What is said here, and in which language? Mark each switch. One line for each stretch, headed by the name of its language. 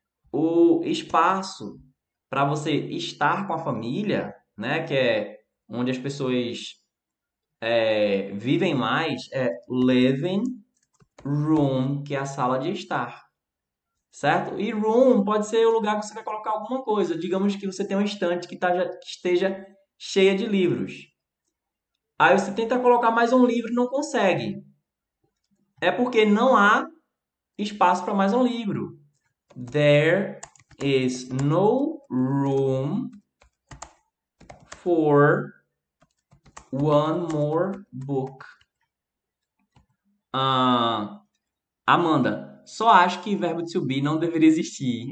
Portuguese: O espaço para você estar com a família, né, que é onde as pessoas vivem mais, é living room, que é a sala de estar, certo? E room pode ser o lugar que você vai colocar alguma coisa. Digamos que você tem uma estante que esteja cheia de livros. Aí você tenta colocar mais um livro e não consegue. É porque não há espaço para mais um livro.
English: There is no room for one more book.
Portuguese: Amanda, só acho que verbo to be não deveria existir.